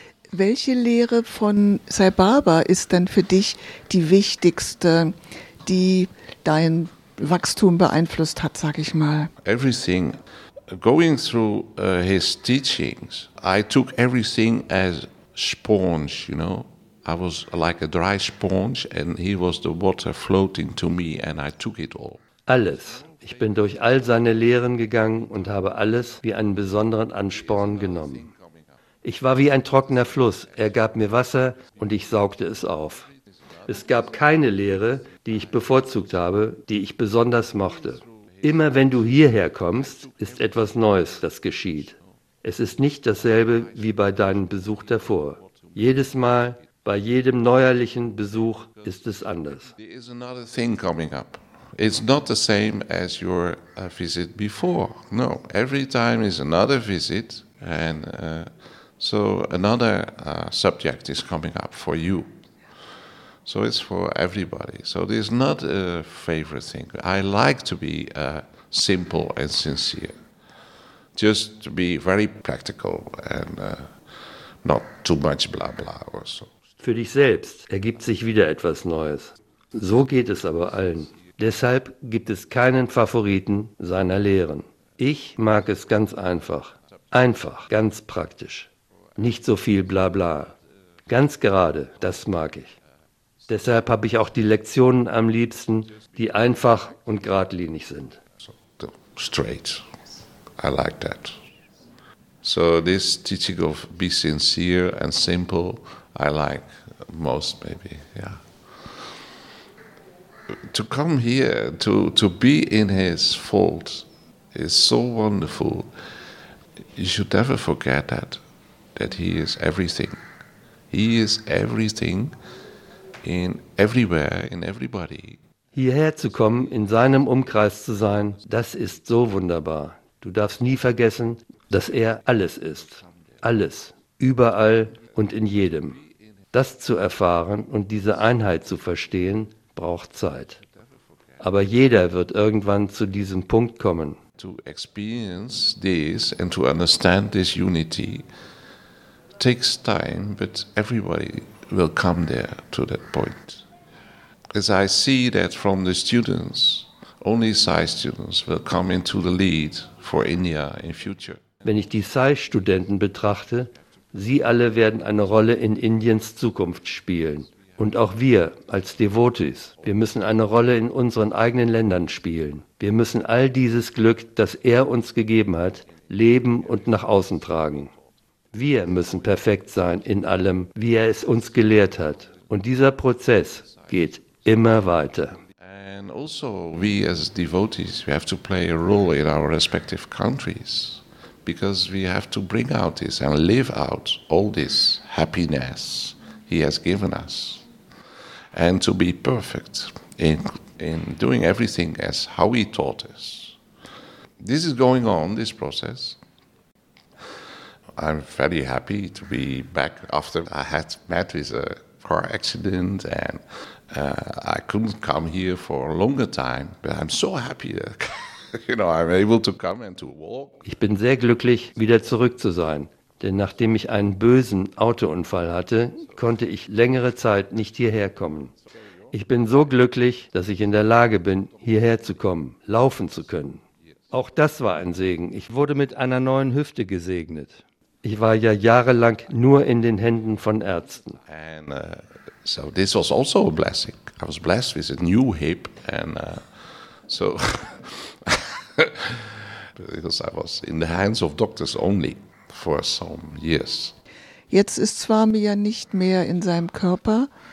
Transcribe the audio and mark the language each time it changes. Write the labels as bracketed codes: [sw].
[de] Welche Lehre von Sai Baba ist denn für dich die wichtigste, die dein Wachstum beeinflusst hat, sag ich mal? [en] Everything. Going through his teachings, I took everything as sponge, you know. I was like a dry sponge and he was the water floating to me and I took it all. [de] Alles. Ich bin durch all seine Lehren gegangen und habe alles wie einen besonderen Ansporn genommen. Ich war wie ein trockener Fluss. Er gab mir Wasser und ich saugte es auf. Es gab keine Lehre, die ich bevorzugt habe, die ich besonders mochte. Immer wenn du hierher kommst, ist etwas Neues, das geschieht. Es ist nicht dasselbe wie bei deinem Besuch davor. Jedes Mal, bei jedem neuerlichen Besuch, ist es anders. [en] There is another thing coming up. It's not the same as your visit before. No, every time is another visit and... So another subject is coming up for you. So it's for everybody. So there's not a favorite thing. I like to be simple and sincere. just to be very practical and not too much blah blah or so. [de] Für dich selbst ergibt sich wieder etwas Neues. So geht es aber allen. Deshalb gibt es keinen Favoriten seiner Lehren. Ich mag es ganz einfach. Einfach, ganz praktisch. Nicht so viel Blabla. Ganz gerade, das mag ich. Deshalb habe ich auch die Lektionen am liebsten, die einfach und geradlinig sind. [en] Straight. I like that. So this teaching of be sincere and simple, I like most maybe, yeah. To come here, to be in his fold, is so wonderful. You should never forget that he is everything. He is everything in everywhere, in everybody. [de] Hierher zu kommen, in seinem Umkreis zu sein, das ist so wunderbar. Du darfst nie vergessen, dass er alles ist. Alles, überall und in jedem. Das zu erfahren und diese Einheit zu verstehen, braucht Zeit. Aber jeder wird irgendwann zu diesem Punkt kommen. [en] To experience this and to understand this unity takes time, but everybody will come there to that point. As I see that from the students, only Sai students will come into the lead for India in future. [de] Wenn ich die Sai-Studenten betrachte, sie alle werden eine Rolle in Indiens Zukunft spielen. Und auch wir als Devotees, wir müssen eine Rolle in unseren eigenen Ländern spielen. Wir müssen all dieses Glück, das er uns gegeben hat, leben und nach außen tragen. Wir müssen perfekt sein in allem, wie er es uns gelehrt hat. Und dieser Prozess geht immer weiter. [en] And also we as devotees, we have to play a role in our respective countries, because we have to bring out this and live out all this happiness he has given us, and to be perfect in doing everything as how he taught us. This is going on, this process. I'm very happy to be back after I had met with a car accident, and I couldn't come here for a longer time, but I'm so happy that, you know, I'm able to come and to walk. [de] Ich bin sehr glücklich, wieder zurück zu sein. Denn nachdem ich einen bösen Autounfall hatte, konnte ich längere Zeit nicht hierher kommen. Ich bin so glücklich, dass ich in der Lage bin, hierher zu kommen, laufen zu können. Auch das war ein Segen. Ich wurde mit einer neuen Hüfte gesegnet. Ich war ja jahrelang nur in den Händen von Ärzten. [en] And, so this was also a blessing. I was blessed with a new hip and so because I was in the hands of doctors only. For some years. [de] Jetzt ist Swami ja nicht mehr in seinem Körper.